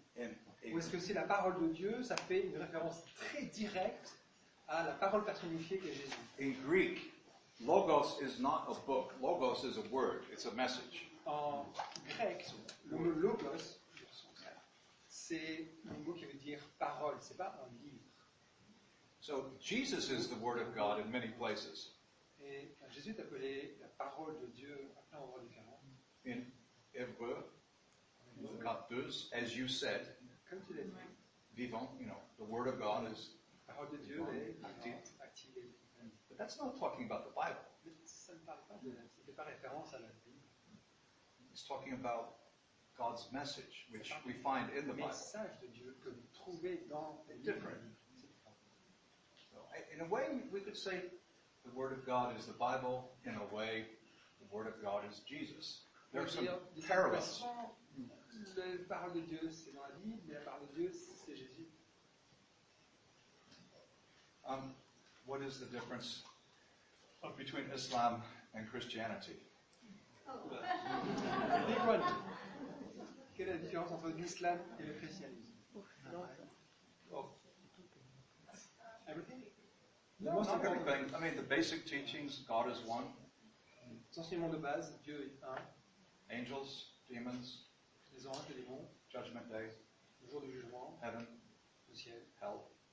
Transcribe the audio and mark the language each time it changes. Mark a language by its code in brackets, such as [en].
[fr] Ou est-ce que c'est la parole de Dieu, ça fait une référence très directe à la parole personnifiée qu'est Jésus? [en] In Greek, logos is not a book. Logos is a word. It's a message. [fr] En grec, le mot logos, c'est un mot qui veut dire parole. C'est pas un livre. [en] So Jesus is the Word of God in many places. [fr] Et Jésus est appelé la parole de Dieu à plein d'endroits différents. [en] In Hebreu, Kaptus, as you said, [fr] comme tu l'as dit, [en] vivant, you know, the Word of God is [fr] parole de Dieu active. [en] But that's not talking about the Bible. [fr] Mais ça ne parle pas de la Bible. Ça ne fait pas référence à la Bible. [en] It's talking about God's message, which we find in the Bible. [fr] Message de Dieu que vous trouvez dans les [en] different. So, in a way, we could say the Word of God is the Bible. In a way, the Word of God is Jesus. There are some parallels. [fr] La parole de Dieu, c'est dans la Bible, mais la parole de Dieu, c'est Jésus. [en] What is the difference between Islam and Christianity? [fr] Quelle est la différence entre l'islam et le christianisme? [en] Everything. I mean, the basic teachings, God is one. [fr] Enseignement de base, Dieu est un. [en] Angels, demons. [fr] Les anges et les démons. [en] Judgment day. [fr] Le jour du jugement. [en] Heaven. [fr] Le ciel. [en] Hell.